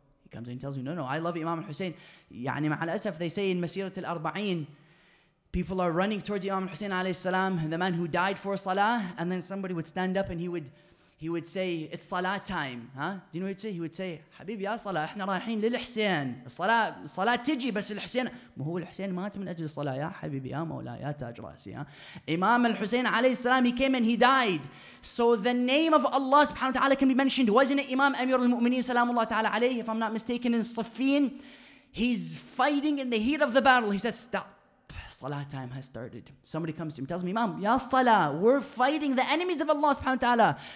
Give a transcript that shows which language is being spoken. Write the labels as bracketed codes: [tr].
[en] He comes in and tells you, no, I love Imam Hussein. [ar] يعني مع الأسف, [en] they say in Masirat al-Arba'een, people are running towards Imam Hussein alayhi salam, the man who died for salah, and then somebody would stand up and he would say, it's salah time. Do you know what he'd say? He would say, [ar] Habib ya salah, احنا رايحين للحسين. الصلاة تجي بس الحسين. هو الحسين مات من أجل الصلاة يا حبيبي يا مولا يا تاج رأسي. [en] Imam al-Hussein alayhi salam, he came and he died. So the name of Allah subhanahu wa ta'ala can be mentioned. Wasn't it Imam Amir al-Mu'mineen salamullah ta'ala alayhi, if I'm not mistaken, in Siffin? He's fighting in the heat of the battle. He says, stop. Salah time has started. Somebody comes to him, tells me, Imam, ya Salah, we're fighting the enemies of Allah subhanahu wa ta'ala.